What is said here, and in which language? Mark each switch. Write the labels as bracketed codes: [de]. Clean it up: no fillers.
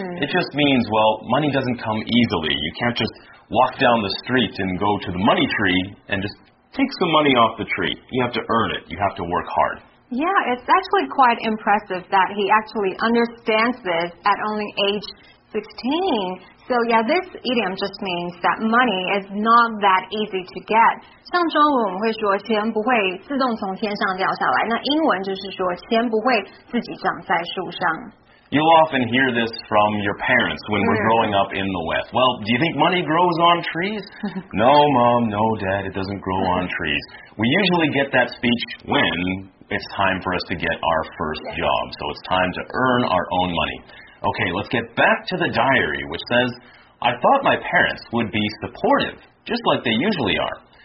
[en] It just means, well, money doesn't come easily. You can't just walk down the street and go to the money tree and just take some money off the tree. You have to earn it. You have to work hard. Yeah, it's actually quite impressive that he actually understands this at only age 16. So yeah, this idiom just means that money is not that easy to get. [zh] 像中文我们会说钱不会自动从天上掉下来，那英文就是说钱不会自己长在树上。 [en] You'll often hear this from your parents when we're growing up in the West. Well, do you think money grows on trees? No, Mom, no, Dad, it doesn't grow on trees. We usually get that speech when it's time for us to get our first job. So it's time to earn our own money. Okay, let's get back to the diary, which says, I thought my parents would be supportive, just like they usually are.